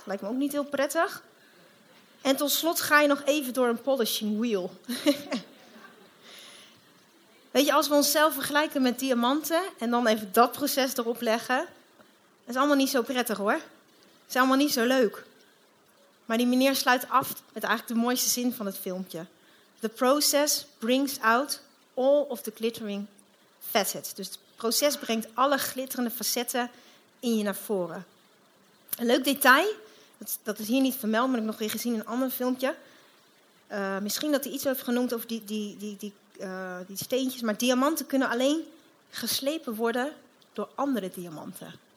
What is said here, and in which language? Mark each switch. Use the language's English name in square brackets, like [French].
[Dutch] Lijkt me ook niet heel prettig. En tot slot ga je nog even door een [English] polishing wheel. [Dutch] Weet je, als we onszelf vergelijken met diamanten en dan even dat proces erop leggen, is allemaal niet zo prettig, hoor. Is allemaal niet zo leuk. Maar die meneer sluit af met eigenlijk de mooiste zin van het filmpje. [English] The process brings out all of the glittering facets. [Dutch] Dus het proces brengt alle glitterende facetten in je naar voren. Een leuk detail, dat is hier niet vermeld, maar ik heb nog weer gezien in een ander filmpje. Misschien dat hij iets heeft genoemd over die steentjes. Maar diamanten kunnen alleen geslepen worden door andere diamanten.